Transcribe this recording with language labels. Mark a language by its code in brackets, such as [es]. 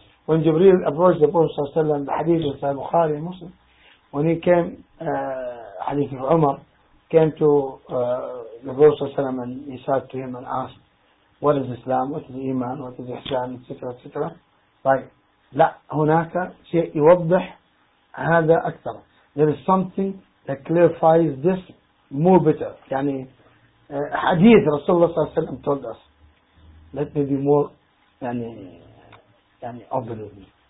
[en] When Jibreel approached the Prophet صلى الله عليه وسلم the hadith of Sahih Bukhari Muslim, when he came, hadith of Umar came to the Prophet صلى الله عليه وسلم and he said to him and asked, what is Islam? What is Iman? What is Ihsan? Etc. etc. Right. [ar] لا هناك شيء يوضح هذا أكثر. [en] There is something that clarifies this more better. [ar] يعني حديث رسول الله صلى الله عليه وسلم [en] told us. Let me be more يعني open with me.